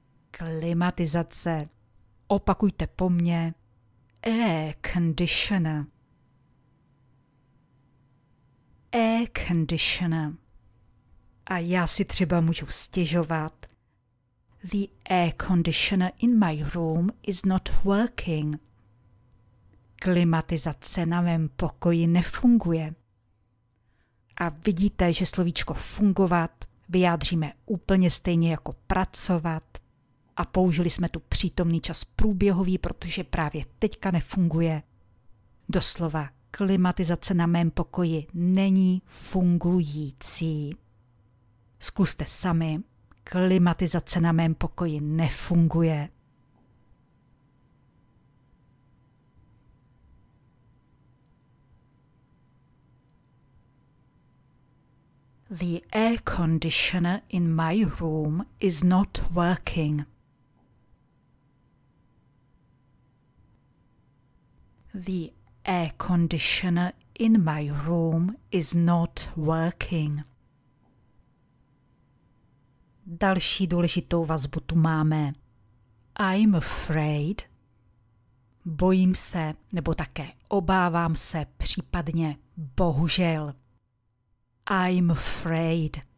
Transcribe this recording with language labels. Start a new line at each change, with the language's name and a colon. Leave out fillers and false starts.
Czech: Klimatizace. Opakujte po mně.
English: Air conditioner. Air conditioner.
Czech: A já si třeba můžu stěžovat.
English: The air conditioner in my room is not working.
Czech: Klimatizace na mém pokoji nefunguje. A vidíte, že slovíčko fungovat vyjádříme úplně stejně jako pracovat. A použili jsme tu přítomný čas průběhový, protože právě teďka nefunguje. Doslova, klimatizace na mém pokoji není fungující. Zkuste sami. Klimatizace na mém pokoji nefunguje.
English: The air conditioner in my room is not working. The air conditioner in my room is not working.
Czech: Další důležitou vazbu tu máme.
English: I'm afraid.
Czech: Bojím se, nebo také obávám se, případně bohužel.
English: I'm afraid.